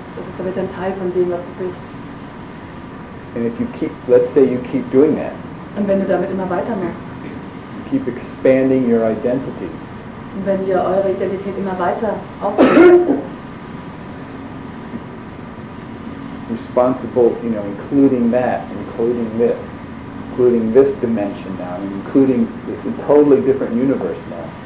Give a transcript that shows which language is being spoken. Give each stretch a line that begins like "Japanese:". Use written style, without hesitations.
German: Das ist damit ein Teil von dem, was du bist.
English: And if you keep, let's say you keep doing that.
German: Und wenn du damit immer weitermachst.
English: You keep expanding your identity.
German: Und wenn ihr eure Identität immer weiter aufnehmt.
English: Responsible, you know, including that, including this dimension now, including this totally different universe now.